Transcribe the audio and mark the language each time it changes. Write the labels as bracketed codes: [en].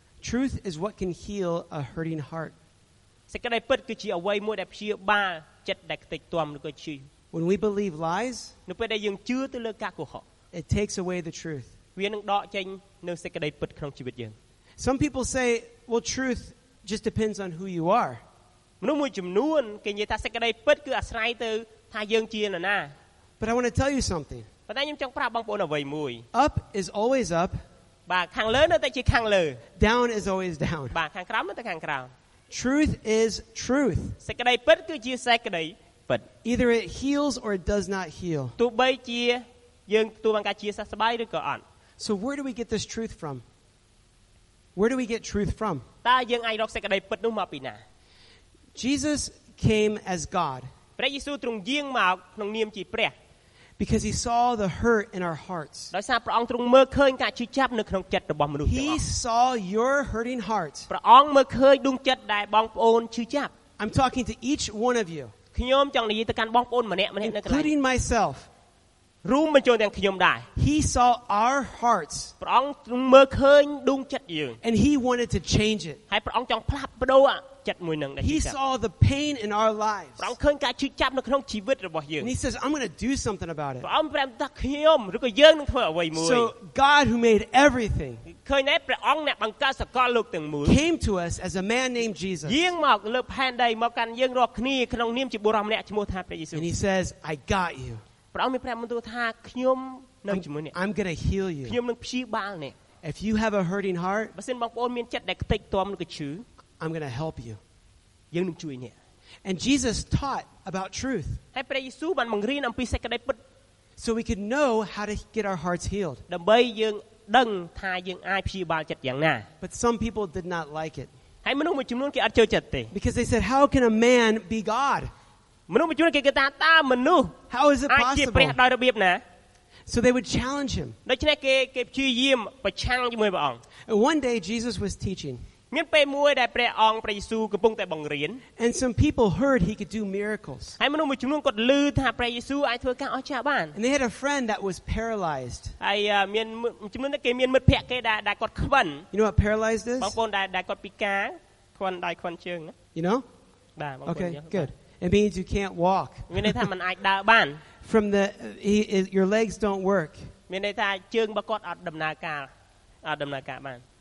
[en] Truth is what can heal a hurting heart. [km] សេចក្តីពិតគឺជាអ្វីមួយដែលព្យាបាលចិត្តដែលខ្ទេចខ្ទាំឬក៏ឈឺ [en] When we believe lies, [km] នៅពេលដែលយើងជឿទៅលើការកុហក [en] it takes away the truth. [km] វានឹងដកចេញនូវសេចក្តីពិតក្នុងជីវិតយើង [en] Some people say, well, truth just depends on who you are. [km] មនុស្សមួយចំនួនគេនិយាយថាសេចក្តីពិតគឺអាស្រ័យទៅថាយើងជានរណា [en] But I want to tell you something. [km] ប៉ុន្តែខ្ញុំចង់ប្រាប់បងប្អូនអ្វីមួយ [en] Up is always up. [km] បាទខាងលើនៅតែជាខាងលើ [en] Down is always down. [km] បាទខាងក្រោមនៅតែខាងក្រោម [en] Truth is truth. [km] សេចក្តីពិតគឺជាសេចក្តីBut [en] either it heals or it does not heal. [km] ទោះបីជាយើងទទួលបានការជាសះស្បើយឬក៏អត់ [en] So where do we get this truth from? Where do we get truth from? [km] តើយើងអាចរកសេចក្តីពិតនោះមកពីណា? [en] Jesus came as God. [km] ព្រះយេស៊ូវទ្រង់យាងមកក្នុងនាមជាព្រះ [en] Because he saw the hurt in our hearts. [km] ដោយសារព្រះអង្គទ្រង់មើលឃើញការឈឺចាប់នៅក្នុងចិត្តរបស់មនុស្ស ទាំងអស់ [en] He saw your hurting hearts. [km] ព្រះអង្គមើលឃើញដួងចិត្តដែលបងប្អូនឈឺចាប់ [en] I'm talking to each one of you. [km] ខ្ញុំចង់និយាយទៅកាន់បងប្អូនម្នាក់ម្នាក់នៅក្រៅ [en] Including myself [km] រួមបញ្ចូលទាំងខ្ញុំដែរ [en] He saw our hearts [km] ព្រះអង្គមើលឃើញដួងចិត្តយើង [en] And he wanted to change it [km] ហើយព្រះអង្គចង់ផ្លាស់ប្ដូរចិត្តមួយនឹងដែរ [en] He saw the pain in our lives [km] ព្រះអង្គឃើញការឈឺចាប់នៅក្នុងជីវិតរបស់យើង [en] He says I'm going to do something about it [km] ព្រះអង្គប្រាប់ថាខ្ញុំឬក៏យើងនឹងធ្វើអ្វីមួយ [en] So God who made everything [km] ឃើញណែព្រះអង្គអ្នកបង្កើតសកលលោកទាំងមូល [en] came to us as a man named Jesus [km] យាងមកលើផែនដីមកកាន់យើងរាល់គ្នាក្នុងនាមជាបុរសម្នាក់ឈ្មោះថាព្រះយេស៊ូវ [en] And he says I got you [km] ព្រះអង្គមានប្រាប់មន្តថាខ្ញុំនៅជាមួយអ្នក [en] I'm going to heal you [km] ខ្ញុំនឹងព្យាបាលអ្នក [en] If you have a hurting heart [km] បើសិនបងប្អូនមានចិត្តដែលខ្ទេចខ្ទាំឬក៏ឈឺ [en] I'm going to help you [km] យើងនឹងជួយអ្នក [en] And Jesus taught about truth [km] ហើយព្រះយេស៊ូវបានបង្រៀនអំពីសេចក្តីពិត [en] So we can know how to get our hearts healed [km] ដើម្បីយើងដឹងថាយើងអាចព្យាបាលចិត្តយ៉ាងណា [en] But some people did not like it. [km] ហើយមនុស្សមួយចំនួនគេអត់ចូលចិត្តទេ [en] Because they said how can a man be God? [km] មនុស្សមួយចំនួនគេគិតថាតើមនុស្ស [en] How is it possible? [km] អាចជាព្រះដោយរបៀបណា [en] So they would challenge him. [km] ដូច្នេះគេព្យាយាមប្រឆាំងជាមួយព្រះអង្គ [en] One day Jesus was teaching. [km] មានពេលមួយដែលព្រះអង្គព្រះយេស៊ូវកំពុងតែបង្រៀន [en] And some people heard he could do miracles. [km] ហើយមនុស្សមួយចំនួនគាត់ឮថាព្រះយេស៊ូវអាចធ្វើការអស្ចារ្យបាន [en] And they had a friend that was paralyzed. [km] ហើយមានចំនួនគេមានមិត្តភក្តិគេដែលគាត់ខ្វិន [en] You know what paralyzed is? [km] បងប្អូនដែលគាត់ពិការខ្វិនដៃខ្វិនជើង [en] You know? [km] បាទបងប្អូន [en] Okay, good. It means you can't walk. [km] មានន័យថាមិនអាចដើរបាន [en] From the your legs don't work. [km] មានន័យថាជើងរបស់គាត់អត់ដំណើរការបាន